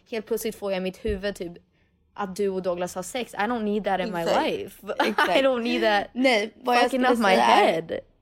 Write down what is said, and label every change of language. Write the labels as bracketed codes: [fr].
[sv] Helt plötsligt får jag mitt huvud typ... Att du och Douglas har sex. [en] I don't need that in my life. I don't need that. [sv] Nej, vad jag skulle säga är...